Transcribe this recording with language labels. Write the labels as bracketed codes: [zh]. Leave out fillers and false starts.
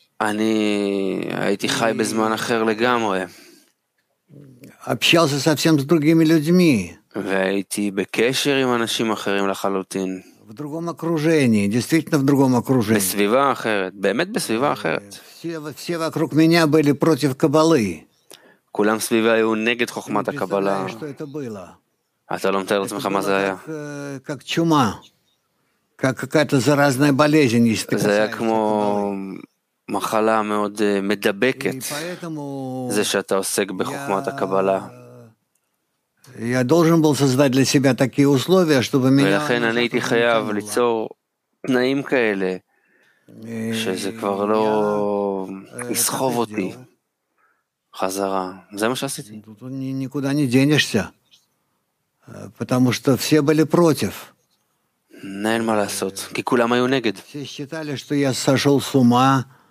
[he] אני הייתי חי בזמן אחר לגמרי. [ru] Общался совсем с другими людьми. [he] והייתי בקשר עם אנשים אחרים לחלוטין. [ru] В другом окружении, действительно в другом окружении. [he] בסביבה אחרת, באמת בסביבה אחרת. [ru] Все вокруг меня были против каббалы. [he] כולם סביבי היו נגד חוכמת הקבלה. [ru] Что это было? [he] אתה לא מתאר לעצמך מה זה היה. [ru] Как чума. Как какая-то заразная болезнь, если ты. [he] זה היה כמו מחלה מאוד מדבקת. זה שאתה עוסק בחוכמת הקבלה. [ru] Я должен был создать для себя такие условия, чтобы меня [he] ולכן אני הייתי חייב ליצור תנאים כאלה שזה כבר לא יסחוב אותי חזרה. זה מה שעשיתי. [ru] Тут никуда не денешься, потому что все были против. [he] אין מה לעשות, כי כולם היו נגד. [ru] Все считали, что я сошел с ума.